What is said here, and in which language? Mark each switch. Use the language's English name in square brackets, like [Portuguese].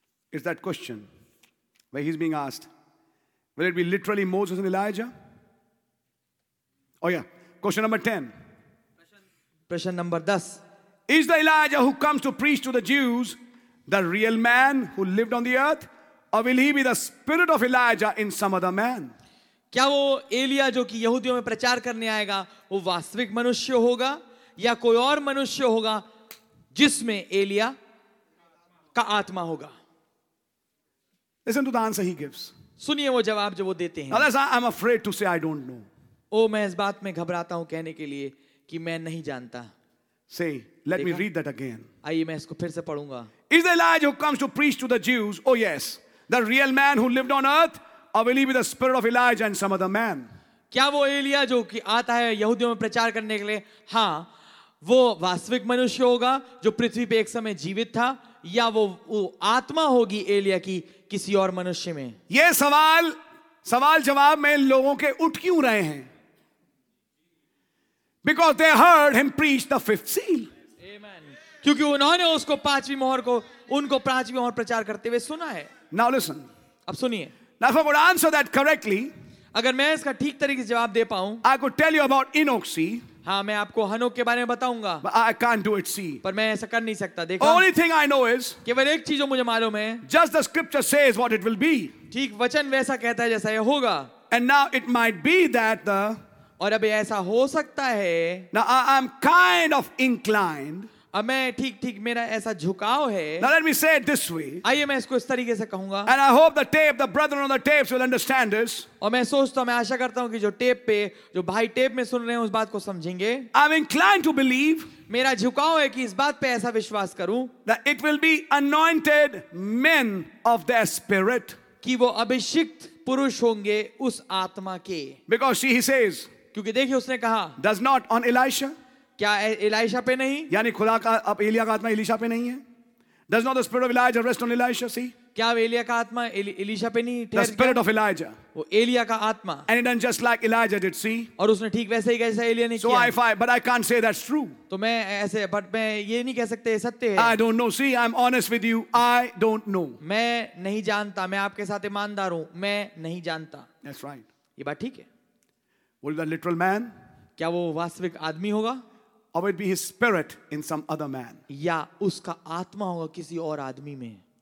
[English] Is that question where he's being asked, will it be literally Moses and Elijah? Oh yeah, question number 10. Question number 10. Is the Elijah who comes to preach to the Jews the real man who lived on the earth, or will he be the spirit of Elijah in some other man? [Hindi] क्या वो एलिया जो कि यहूदियों में प्रचार करने आएगा वो वास्तविक मनुष्य होगा या कोई और मनुष्य होगा जिसमें एलिया का आत्मा होगा? [English] Listen to the answer he gives. [Hindi] सुनिए वो जवाब जो वो देते हैं. [English] Otherwise, I'm afraid to say I don't know. [Hindi] ओ मैं इस बात में घबराता हूं कहने के लिए कि मैं नहीं जानता. [English] Say, let me read that again. [Hindi] आइए मैं इसको फिर से पढूंगा. [English] Is Elijah who comes to preach to the Jews? Oh yes, the real man who lived on earth, or will he be the spirit of Elijah and some other man? [Hindi] क्या वो एलिया जो कि आता है यहूदियों में प्रचार करने के लिए, हाँ, वो वास्तविक मनुष्य होगा जो पृथ्वी पे एक समय जीवित था, या वो आत्मा होगी एलिया की किसी और मनुष्य में? ये सवाल जवाब में लोगों के उठ क्यों रहे हैं? [English] Because they heard him preach the fifth seal. [Hindi] Amen. क्योंकि उन्होंने उसको पांचवी मोहर को, उनको पांचवी मोहर प्रचार करते हुए सुना है. [English] Now listen. [Hindi] अब सुनिए. [English] Now if I would answer that correctly, [Hindi] अगर मैं इसका ठीक तरीके से जवाब दे पाऊं, [English] I could tell you about Enoch. [Hindi] हाँ, मैं आपको हनोक के बारे में बताऊंगा. [English] I can't do it. See. [Hindi] पर मैं ऐसा कर नहीं सकता. देखो. [English] Only thing I know is. [Hindi] केवल एक चीज़ जो मुझे मालूम है. [English] Just the scripture says what it will be. [Hindi] ठीक, वचन वैसा कहता है जैसा यह होगा. [English] And now it might be that the. [Hindi] और अब ऐसा हो सकता है. [English] Now I am kind of inclined. [Hindi] अब मैं ठीक मेरा ऐसा झुकाव है. [English] Now let me say it this way. [Hindi] आइए मैं इसको इस तरीके से कहूंगा. [English] And I hope the tape, the brethren on the tapes will understand this. [Hindi] और मैं सोचता हूं, मैं आशा करता हूं कि जो टेप पे, जो भाई टेप में सुन रहे हैं, उस बात को समझेंगे. [English] I am inclined to believe. [Hindi] मेरा झुकाव है कि इस बात पे ऐसा विश्वास करूं. [English] That it will be anointed men of their spirit. [Hindi] कि वो अभिषिक्त पुरुष होंगे उस आत्मा के. [English] Because see, he says. [Hindi] क्योंकि देखिए उसने कहा. [English] Does not on Elisha. [Hindi] क्या एलिशा पे नहीं? यानी खुदा का, अब एलिया का आत्मा एलिशा पे नहीं है? [English] Does not the spirit of Elijah rest on Elisha? See? [Hindi] क्या एलिया का आत्मा एलिशा पे नहीं? [English] The spirit of Elijah. [Hindi] वो एलिया का आत्मा. [English] And it done just like Elijah did. See? [Hindi] और उसने ठीक वैसे ही कैसा एलिया ने किया. [English] So I fight, but I can't say that's true. [Hindi] तो मैं ऐसे, [English] but [Hindi] मैं ये नहीं कह सकते सत्य है. [English] I don't know. See, I'm honest with you. I don't know. [Hindi] मैं नहीं जानता. मैं आपके साथ ईमानदार हूं. मैं नहीं जानता. [English] That's right. [Hindi] ये बात ठीक है. [English] Will the literal man? [Hindi] क्या वो वास्तविक आदमी होगा? [English] Or it be his spirit in some other man? [Hindi] या उसका आत्मा होगा किसी और आदमी में?